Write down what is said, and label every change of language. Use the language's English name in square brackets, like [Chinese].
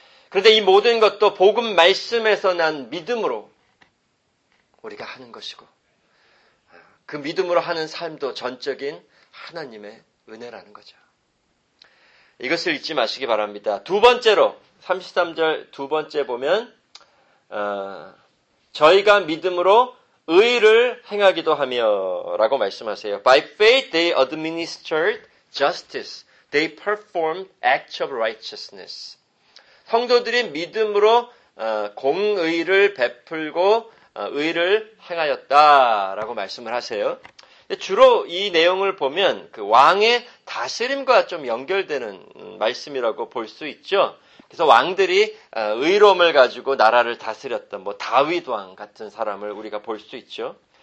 [Korean] 그런데 이 모든 것도 복음 말씀에서 난 믿음으로 우리가 하는 것이고 그 믿음으로 하는 삶도 전적인 하나님의 은혜라는 거죠. 이것을 잊지 마시기 바랍니다. 두 번째로 33절 두 번째 보면 저희가 믿음으로 의를 행하기도 하며 라고 말씀하세요. [English] By faith they administered justice. They performed acts of righteousness. [Korean] 성도들이 믿음으로 공의를 베풀고 의를 행하였다라고 말씀을 하세요. 주로 이 내용을 보면 그 왕의 다스림과 좀 연결되는 말씀이라고 볼 수 있죠. 그래서 왕들이 의로움을 가지고 나라를 다스렸던 뭐 다윗 왕 같은 사람을 우리가 볼 수 있죠.